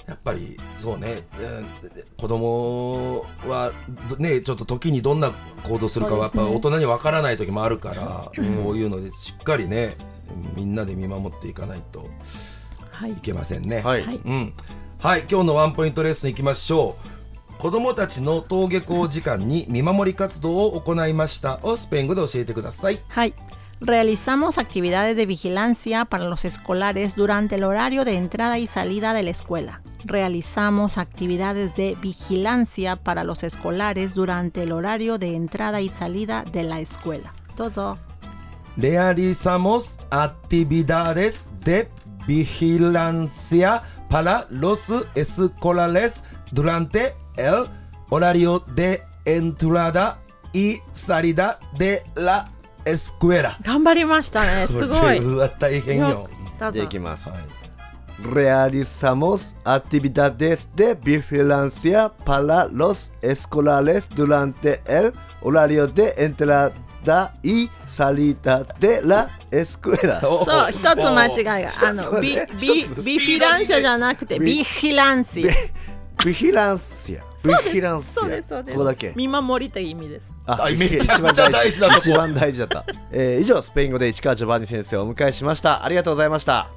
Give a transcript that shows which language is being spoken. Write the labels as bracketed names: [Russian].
[Japanese] やっぱりそうね、子供はね、ちょっと時にどんな行動するかはやっぱ大人に分からない時もあるから、そうですね、こういうのでしっかりね、みんなで見守っていかないといけませんね。はい、うん、はい。今日のワンポイントレッスンいきましょう。子どもたちの登下校時間に見守り活動を行いましたをスペイン語で教えてください。はい。 [Spanish] Realizamos actividades de vigilancia para los escolares durante el horario de entrada y salida de la escuela. Realizamos actividades de vigilancia para los escolares durante el horario de entrada y salida de la escuela. [Japanese] どうぞ。 [Spanish] Realizamos actividades de vigilancia para los escolares durante el horario de entrada y salida de la escuela. [Japanese] 頑張りましたね。すごい。これは大変よ。じゃあいきます。 [Spanish] Realizamos actividades de vigilancia para los escolares durante el horario de entrada. だいサリダデラエスクエラ。 [Japanese] そう、一つ間違いが、ビフィランシアじゃなくてビヒランシア。ビヒランシア。ビヒランシア。そうですそうです。そこだけ。見守りという意味です。あ、めっちゃ大事だった。一番大事だった。以上、スペイン語で市川ジョバンニ先生をお迎えしました。ありがとうございました。